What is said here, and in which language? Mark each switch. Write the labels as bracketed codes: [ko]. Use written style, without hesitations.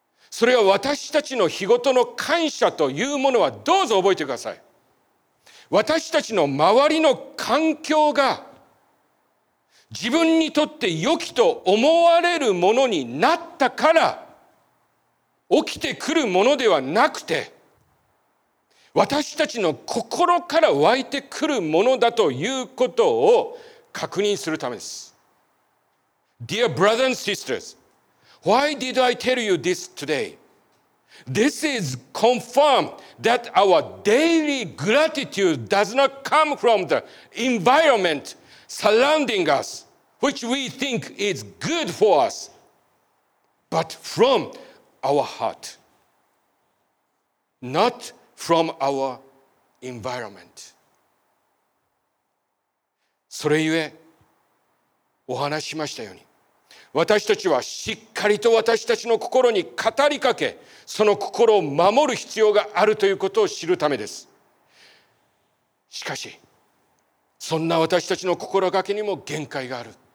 [ja] それは私たちの日ごとの感謝というものは、どうぞ覚えてください、私たちの周りの環境が自分にとって良きと思われるものになったから起きてくるものではなくて、私たちの心から湧いてくるものだということを確認するためです。 [en] Dear brothers and sisters, why did I tell you this today? This is confirmed that our daily gratitude does not come from the environment surrounding us, which we think is good for us, but from our heart, not from our environment. [ja] それゆえ、お話しましたように、私たちはしっかりと私たちの心に語りかけ、その心を守る必要があるということを知るためです。しかし、そんな私たちの心がけにも限界がある。